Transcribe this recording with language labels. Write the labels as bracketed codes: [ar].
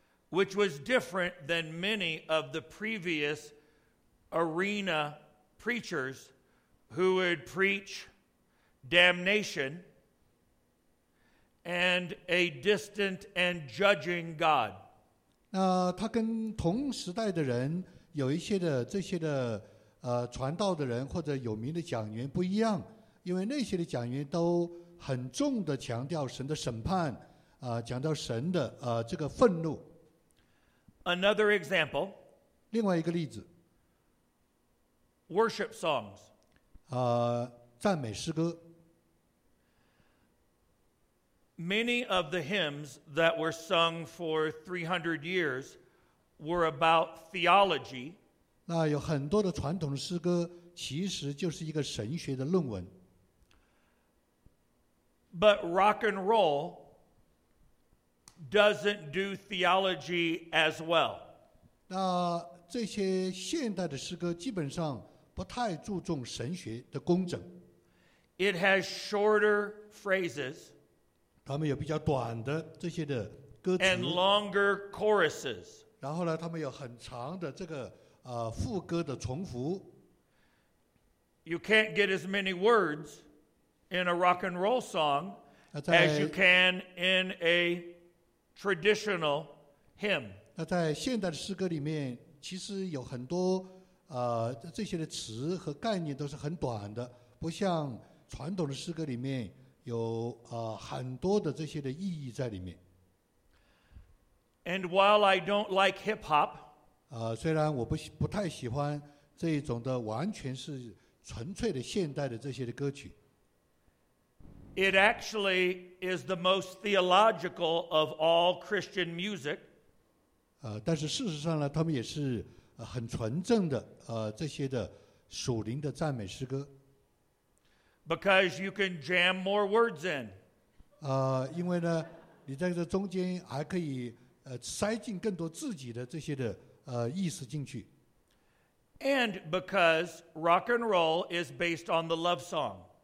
[en] Which was different than many of the previous arena preachers who would preach damnation and a distant and judging God. [zh] 那他跟同时代的人有一些的这些的传道的人或者有名的讲员不一样，因为那些的讲员都很重的强调神的审判，讲到神的这个愤怒。 [en] Another example. [zh] 另外一个例子。 [en] Worship songs. [zh] 赞美诗歌。 [en] Many of the hymns that were sung for 300 years were about theology. [zh] 那有很多的传统诗歌其实就是一个神学的论文。 [en] But rock and roll doesn't do theology as well. [zh] 那这些现代的诗歌基本上不太注重神学的工整。 [en] It has shorter phrases. [zh] 他们有比较短的这些的歌词。 [en] And longer choruses. [zh] 然后呢，他们有很长的这个副歌的重复。 [en] You can't get as many words in a rock and roll song as you can in a traditional hymn. [zh] 那在现代的诗歌里面，其实有很多这些的词和概念都是很短的，不像传统的诗歌里面有很多的这些的意义在里面。 [en] And while I don't like hip hop, [zh] 虽然我不太喜欢这一种的完全是纯粹的现代的这些的歌曲。 [en] It actually is the most theological of all Christian music. [zh] 但是事实上呢，他们也是很纯正的这些的属灵的赞美诗歌。 [en] Because you can jam more words in. [zh] 因为呢，你在这中间还可以塞进更多自己的这些的意思进去。 [en] And because rock and roll is based on the love song.